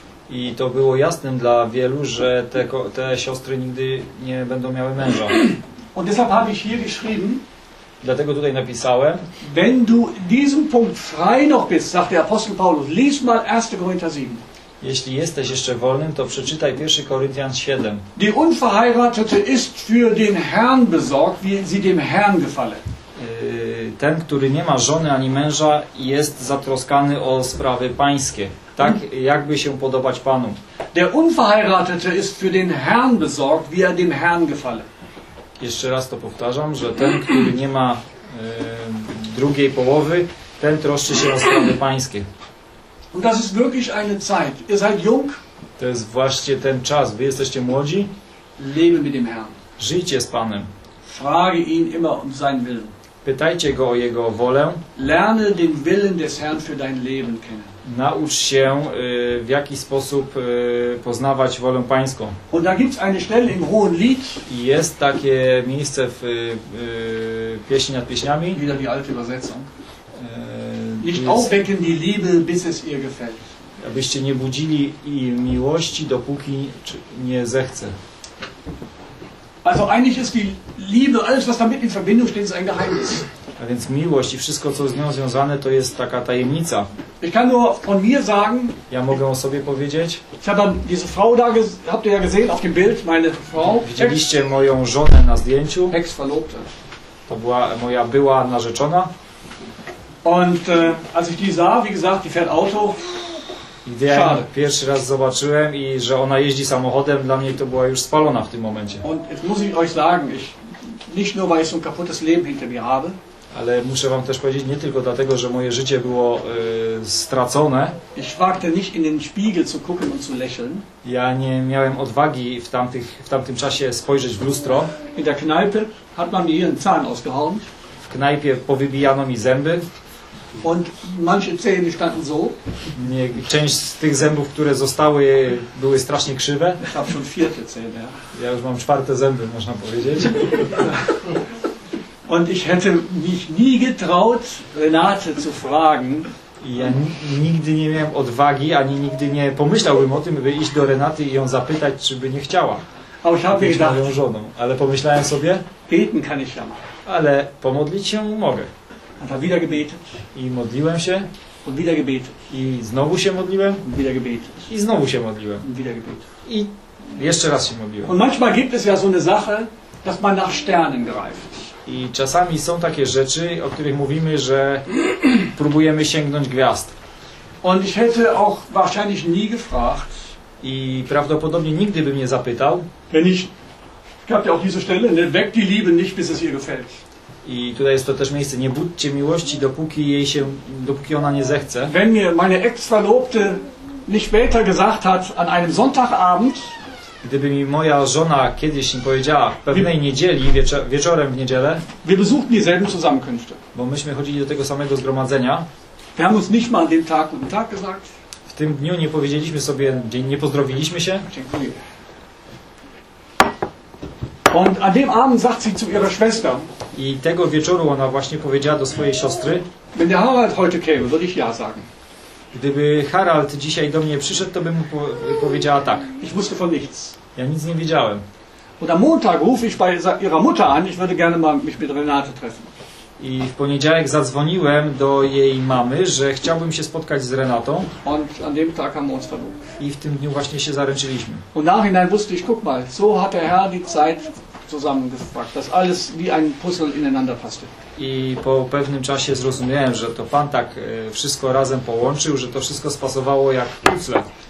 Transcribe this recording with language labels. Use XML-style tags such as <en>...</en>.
<pl>I to było jasne dla wielu, że te siostry nigdy nie będą miały męża.</pl> <de>Und deshalb habe ich hier geschrieben.</de> <pl>Dlatego tutaj napisałem.</pl> <de>Wenn du diesem Punkt frei noch bist, sagt der Apostel Paulus, lies mal 1. Korinther 7.</de> <pl>Jeśli jesteś jeszcze wolnym, to przeczytaj 1 Koryntian 7.</pl> <de>Die Unverheiratete ist für den Herrn besorgt, wie sie dem Herrn gefalle.</de> <pl>Ten, który nie ma żony ani męża, jest zatroskany o sprawy pańskie. Tak, jakby się podobać Panu.</pl> <de>Der Unverheiratete ist für den Herrn besorgt, wie er dem Herrn gefalle.</de> <pl>Jeszcze raz to powtarzam, że ten, który nie ma drugiej połowy, ten troszczy się o sprawy pańskie.</pl> <de>Und das ist wirklich eine Zeit. Ihr seid jung.</de> <pl>To jest właśnie ten czas. Wy jesteście młodzi.</pl> <de>Lebe mit dem Herrn.</de> <pl>Żyjcie z Panem.</pl> <de>Frage ihn immer um seinen Willen.</de> <pl>Pytajcie go o jego wolę.</pl> <de>Lerne den Willen des Herrn für dein Leben kennen.</de> <pl>Naucz się, w jaki sposób poznawać wolę pańską.</pl> <de>Und da gibt's eine Stelle im Hohen Lied.</de> <pl>Jest takie miejsce w Pieśni nad Pieśniami.</pl> <de>Wieder die alte Übersetzung. Nicht aufwecken die Liebe, bis es ihr gefällt.</de> <pl>Abyście nie budzili jej miłości, dopóki nie zechce.</pl> <de>Also eigentlich ist die Liebe, alles was damit in Verbindung steht, ist ein Geheimnis.</de> <pl>A więc miłość i wszystko, co z nią związane, to jest taka tajemnica.</pl> <de>Ich kann nur von mir sagen.</de> <pl>Ja mogę o sobie powiedzieć.</pl> <de>Ich habe diese Frau da, habt ihr ja gesehen auf dem Bild, meine Frau.</de> <pl>Widzieliście moją żonę na zdjęciu.</pl> <de>Ex-verlobte.</de> <pl>To była moja była narzeczona.</pl> <de>Und als ich die sah, wie gesagt, die fährt Auto.</de> <pl>Gdy ja pierwszy raz zobaczyłem i że ona jeździ samochodem, dla mnie to była już spalona w tym momencie.</pl> <de>Und jetzt muss ich euch sagen, ich nicht nur weil ich so ein kaputtes Leben hinter mir habe.</de> <pl>Ale muszę wam też powiedzieć, nie tylko dlatego, że moje życie było stracone.</pl> <de>Ich wagte nicht in den Spiegel zu gucken und zu lächeln.</de> <pl>Ja nie miałem odwagi w tamtym czasie spojrzeć w lustro.</pl> <de>In der Kneipe hat man mir einen Zahn ausgehauen.</de> <pl>W knajpie powybijano mi zęby.</pl> <de>Und manche Zähne standen so.</de> <pl>Nie, część z tych zębów, które zostały, były strasznie krzywe.</pl> <de>Ich habe schon vierte Zähne.</de> <pl>Ja już mam czwarte zęby, można powiedzieć.</pl> <de>Und ich hätte mich nie getraut, Renate zu fragen.</de> <pl>Ja nigdy nie miałem odwagi, ani nigdy nie pomyślałbym o tym, by iść do Renaty i ją zapytać, czy by nie chciała. Być moją żoną. Ale pomyślałem sobie,</pl> <de>beten kann ich ja machen.</de> <pl>Ale pomodlić się mogę.</pl> <de>Und dann wieder gebetet.</de> <pl>I modliłem się.</pl> <de>Und wieder gebetet.</de> <pl>I znowu się modliłem.</pl> <de>Und wieder gebetet.</de> <pl>I znowu się modliłem.</pl> <de>Und wieder gebetet.</de> <pl>I jeszcze raz się modliłem.</pl> <de>Und manchmal gibt es ja so eine Sache, dass man nach Sternen greift.</de> <pl>I czasami są takie rzeczy, o których mówimy, że próbujemy sięgnąć gwiazd.</pl> <de>Und ich hätte auch wahrscheinlich nie gefragt.</de> <pl>I prawdopodobnie nigdy bym nie zapytał.</pl> <de>Wenn ich gab ja auch diese Stelle, ne, weck die Liebe nicht, bis es ihr gefällt.</de> <pl>I tutaj jest to też miejsce, nie budźcie miłości, dopóki ona nie zechce.</pl> <de>Wenn mir meine Ex-Verlobte nicht später gesagt hat an einem Sonntagabend.</de> <pl>Gdyby mi moja żona kiedyś mi powiedziała pewnej niedzieli, wieczorem w niedzielę,</pl> <de>wir besuchten dieselben Zusammenkünfte.</de> <pl>Bo myśmy chodzili do tego samego zgromadzenia.</pl> <de>Wir haben uns nicht mal den Tag und den Tag gesagt.</de> <pl>W tym dniu nie powiedzieliśmy sobie, nie pozdrowiliśmy się.</pl> <de>Und an dem Abend sagt sie zu ihrer Schwester.</de> <pl>I tego wieczoru ona właśnie powiedziała do swojej siostry.</pl> <de>Wenn der Harald heute käme, würde ich ja sagen.</de> <pl>Gdyby Harald dzisiaj do mnie przyszedł, to bym mu powiedziała tak.</pl> <de>Ich wusste von nichts.</de> <pl>Ja nic nie wiedziałem.</pl> <de>Und am Montag rufe ich bei ihrer Mutter an, ich würde gerne mal mich mit Renate treffen.</de> <pl>I w poniedziałek zadzwoniłem do jej mamy, że chciałbym się spotkać z Renatą.</pl> <de>Und an dem Tag haben wir uns verlobt.</de> <pl>I w tym dniu właśnie się zaręczyliśmy.</pl> <de>Und nachhinein wusste ich, guck mal, so hat der Herr die Zeit zusammengebracht, dass alles wie ein Puzzle ineinander passte.</de> <pl>I po pewnym czasie zrozumiałem, że to Pan tak wszystko razem połączył, że to wszystko spasowało jak puzzle.</pl>